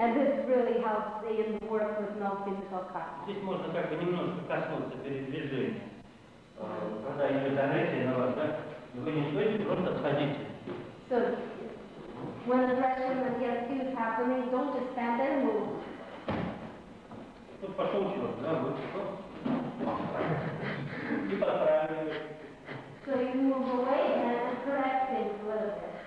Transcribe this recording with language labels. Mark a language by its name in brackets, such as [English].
[English] And this really helps in the work with no physical contact. [Russian] Здесь можно как бы немножко коснуться передвижения. Когда идет агрессия на вас, да? Вы не стоите, просто отходите. [English] So, when aggression against you is happening, don't just stand there and move. So you move away and correct things a little bit.